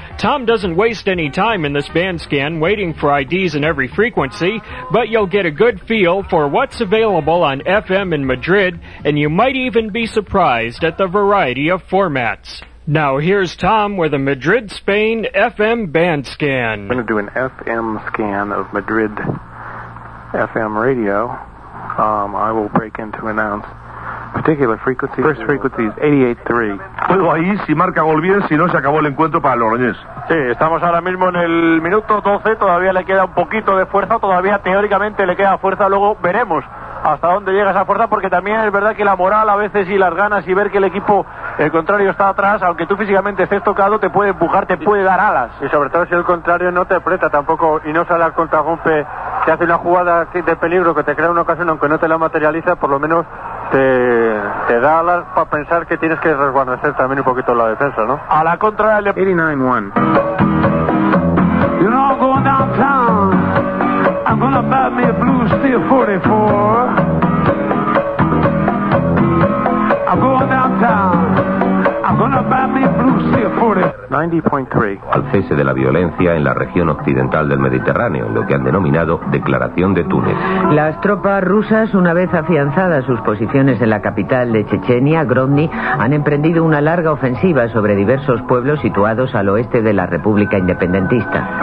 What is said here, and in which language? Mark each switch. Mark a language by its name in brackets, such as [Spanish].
[English] Tom doesn't waste any time in this band scan waiting for IDs in every frequency, but you'll get a good feel for what's available on FM in Madrid, and you might even be surprised at the variety of formats. Now here's Tom with a Madrid, Spain FM band scan. I'm going to do an FM scan of Madrid FM radio. I will break in to announce particular frequencies. First frequency is 88.3. [Spanish] Oigo ahí, si marca gol bien, si no se acabó el encuentro para Logroñés. Sí, estamos ahora mismo en el minuto 12, todavía le queda un poquito de fuerza, todavía teóricamente le queda fuerza, luego veremos hasta dónde llega esa fuerza, porque también es verdad que la moral a veces y las ganas y ver que el equipo el contrario está atrás, aunque tú físicamente estés tocado, te puede empujar, te puede dar alas. Y sobre todo si el contrario no te aprieta tampoco y no sale al contragolpe, te hace una jugada de peligro que te crea una ocasión, aunque no te la materializa, por lo menos te da alas para pensar que tienes que resguardarse también un poquito la defensa, ¿no? A la contra del [English] 89-1. You're all going downtown. I'm gonna buy me a blue steel 44. I'm going downtown. I'm gonna buy me a blue steel 44. 90.3. [Spanish] Al cese de la violencia en la región occidental del Mediterráneo, lo que han denominado Declaración de Túnez. Las tropas rusas, una vez afianzadas sus posiciones en la capital de Chechenia, Grozny, han emprendido una larga ofensiva sobre diversos pueblos situados al oeste de la República Independentista.